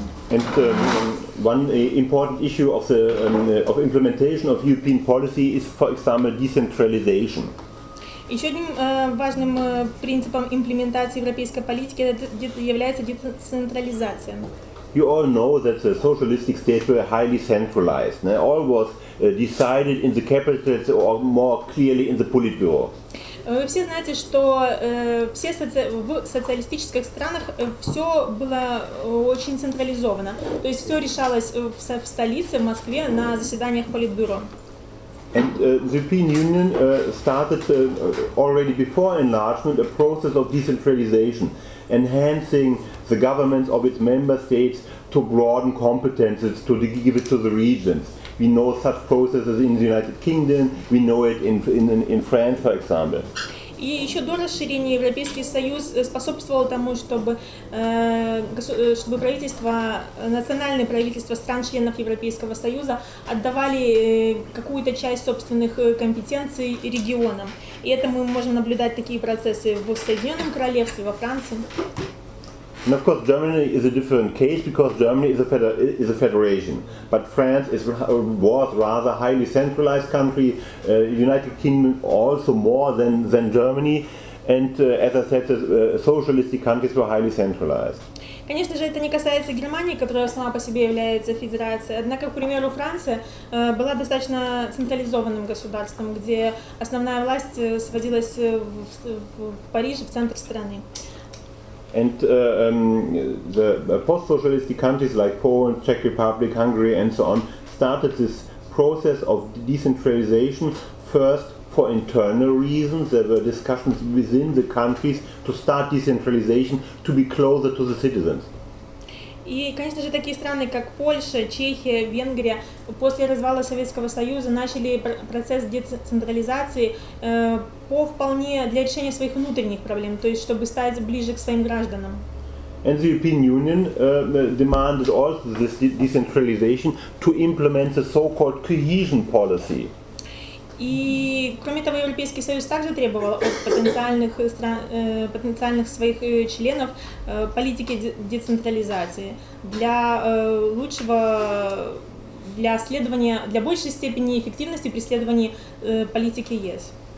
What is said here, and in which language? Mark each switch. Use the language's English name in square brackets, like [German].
[English] And one important issue of the of implementation of European policy is, for example, decentralization. [Russian] Еще одним важным принципом имплементации европейской политики является децентрализация. [English] You all know that the socialistic states were highly centralized. All was decided in the capitals or more clearly in the Politburo. [Russian] Вы все знаете, что все в социалистических странах все было очень централизовано. То есть все решалось в столице, в Москве, на заседаниях Политбюро. [English] And the European Union started already before enlargement a process of decentralization, enhancing the governments of its member states to broaden competences, to give it to the regions. We know such processes in the United Kingdom, we know it in France, for example. [Russian] И еще до расширения Европейский Союз способствовал тому, чтобы, чтобы правительства, национальные правительства стран-членов Европейского Союза отдавали какую-то часть собственных компетенций регионам. И это мы можем наблюдать такие процессы в Соединенном Королевстве, во Франции. [English] And of course, Germany is a different case because Germany is a federation. But France was rather highly centralized country. United Kingdom also more than Germany. And as I said, the socialistic countries were highly centralized. [Russian] Конечно же, это не касается Германии, которая сама по себе является федерацией. Однако, к примеру, Франция была достаточно централизованным государством, где основная власть сводилась в Париж, в центр страны. [English] And the post-socialist countries like Poland, Czech Republic, Hungary, and so on, started this process of decentralization first for internal reasons. There were discussions within the countries to start decentralization to be closer to the citizens. [Russian] И, конечно же, такие страны, как Польша, Чехия, Венгрия, после развала Советского Союза начали процесс децентрализации по вполне для решения своих внутренних проблем, то есть чтобы стать ближе к своим гражданам. [English] And the European Union demanded also this decentralization to implement the so-called cohesion policy. [Russian] И, кроме того, Европейский Союз также требовал от потенциальных стран, потенциальных своих членов политики децентрализации для лучшего, для следования, для большей степени эффективности преследования политики ЕС.